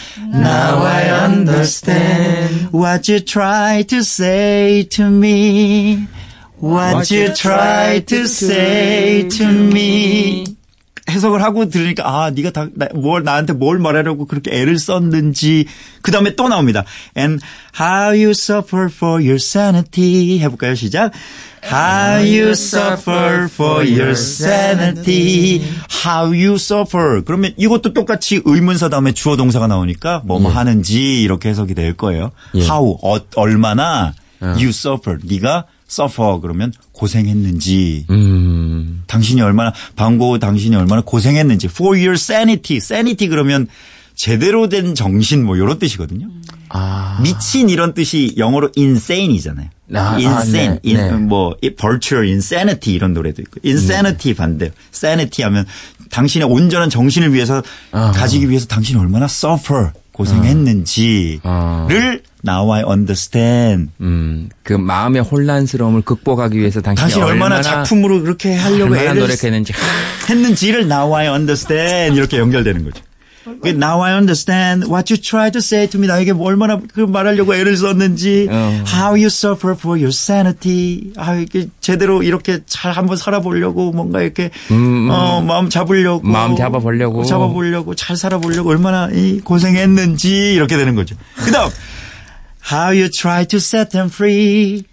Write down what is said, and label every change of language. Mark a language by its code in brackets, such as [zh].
[en] Now I understand what you try to say to me. What you try to say to me. [ko] 해석을 하고 들으니까 아 네가 나한테 뭘 말하려고 그렇게 애를 썼는지 그 다음에 또 나옵니다. [en] And how you suffer for your sanity [ko] 해볼까요? 시작. [en] How you suffer for your sanity? How you suffer? [ko] 그러면 이것도 똑같이 의문사 다음에 주어 동사가 나오니까 뭐 하는지 이렇게 해석이 될 거예요. 예. How 얼마나 [en] you suffer? [ko] 네가 suffer 그러면 고생했는지 당신이 얼마나 방고우 당신이 얼마나 고생했는지 [en] for your sanity. [ko] sanity 그러면 제대로 된 정신 뭐 이런 뜻이거든요. 아. 미친 이런 뜻이 영어로 insane이잖아요. 아, [en] insane [ko] 아, 네. 뭐 virtual insanity 이런 노래도 있고 insanity 반대요. sanity 하면 당신의 온전한 정신을 위해서 가지기 위해서 당신이 얼마나 suffer 고생했는지를 [en] Now I understand. [ko] 그 마음의 혼란스러움을 극복하기 위해서 당신이 얼마나 작품으로 그렇게 하려고 얼마나 노력했는지 했는지를 [en] Now I understand [ko] 이렇게 연결되는 거죠. [en] Now I understand what you tried to say to me. [ko] 나에게 얼마나 그 말하려고 애를 썼는지. [en] How you suffer for your sanity. [ko] 아, 이렇게 제대로 이렇게 잘 한번 살아보려고 뭔가 이렇게 마음 잡아보려고 잘 살아보려고 얼마나 고생했는지 이렇게 되는 거죠. 그다음 [en] How you try to set them free.